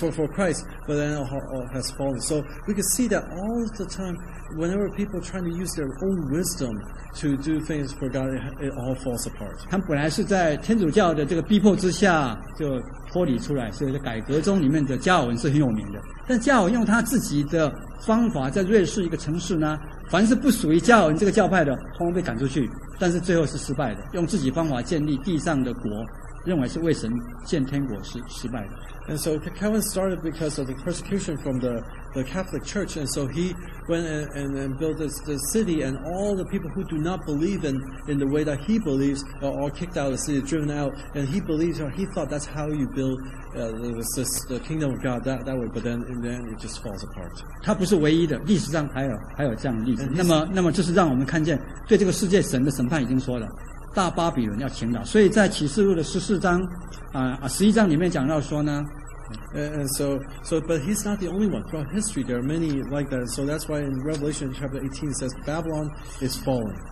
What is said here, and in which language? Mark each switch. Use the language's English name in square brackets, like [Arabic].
[English] For Christ, but then has fallen. So we can see that all the time, whenever people are trying to use their own wisdom to do things for God, it all falls apart. [Chinese] 他本来是在天主教的这个逼迫之下就脱离出来，所以在改革中里面的加尔文是很有名的。但加尔文用他自己的方法，在瑞士一个城市呢，凡是不属于加尔文这个教派的，通通被赶出去。但是最后是失败的，用自己方法建立地上的国，认为是为神建天国是失败的。 [English] And so Calvin started because of the persecution from the Catholic Church, and so he went and built this city, and all the people who do not believe in the way that he believes are all kicked out of the city, driven out, and he believes, or he thought that's how you build the kingdom of God that way, but then it just falls apart. [Chinese] 他不是唯一的，历史上还有这样的例子。那么就是让我们看见，对这个世界神的审判已经说了，大巴比伦要倾倒。所以在启示录的十一章里面讲到说呢。 [English] And so, but he's not the only one. Throughout history, there are many like that. So that's why in Revelation chapter 18 it says Babylon is fallen.